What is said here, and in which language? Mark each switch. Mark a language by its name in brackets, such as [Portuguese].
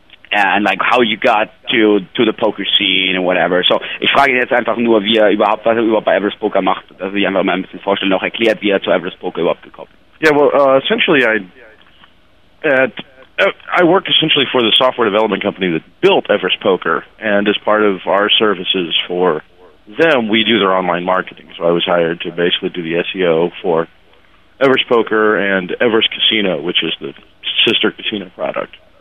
[English] And like how you got to the poker scene and whatever. [German] So ich frage ihn jetzt einfach nur, wie er überhaupt, was er überhaupt bei Everest Poker macht, dass er sich einfach mal ein bisschen vorstellt, noch erklärt, wie er zu Everest Poker überhaupt gekommen ist. [English] Yeah, well, essentially I work essentially for the software development company that built Everest Poker, and as part of our services for them, we do their online marketing. So I was hired to basically do the SEO for Everest Poker and Everest Casino, which is the sister casino product.